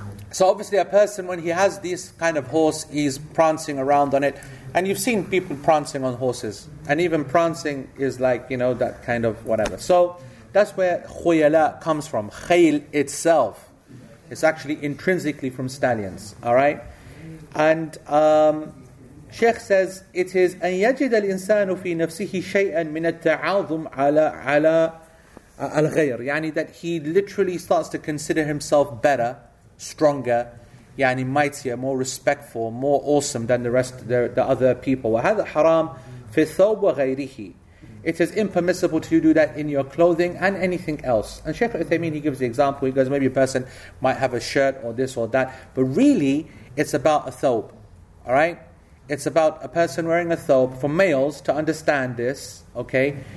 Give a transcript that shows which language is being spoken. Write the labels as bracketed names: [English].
[English] So obviously, a person when he has this kind of horse, he's prancing around on it. And you've seen people prancing on horses. And even prancing is like, you know, that kind of whatever. So that's where khuyala comes from. Khayl itself. It's actually intrinsically from stallions. All right? And Sheikh says it is [Arabic] أن يجد الإنسان في نفسه شيئا من التعاظم على الغير. يعني [English] that he literally starts to consider himself better, stronger, يعني mightier, more respectful, more awesome than the rest, the other people. [Arabic] وهذا حرام في الثوب وغيره. [English] It is impermissible to do that in your clothing and anything else. And Sheikh Uthaymeen, he gives the example. He goes, maybe a person might have a shirt or this or that, but really, it's about a thawb. All right. It's about a person wearing a thawb. For males to understand this, okay?